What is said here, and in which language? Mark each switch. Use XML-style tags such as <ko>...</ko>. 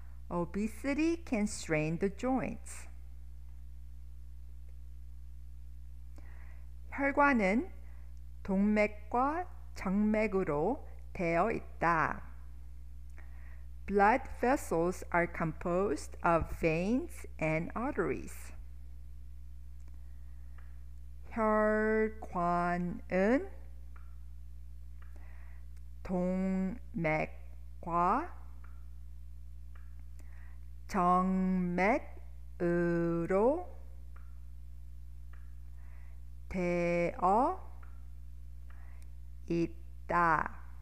<en>Obesity can strain the joints.</en> <ko>혈관은 동맥과 정맥으로 되어 있다.</ko> <en>Blood vessels are composed of veins and arteries.</en> <ko>혈관은 동맥과 정맥으로 되어 있다.</ko>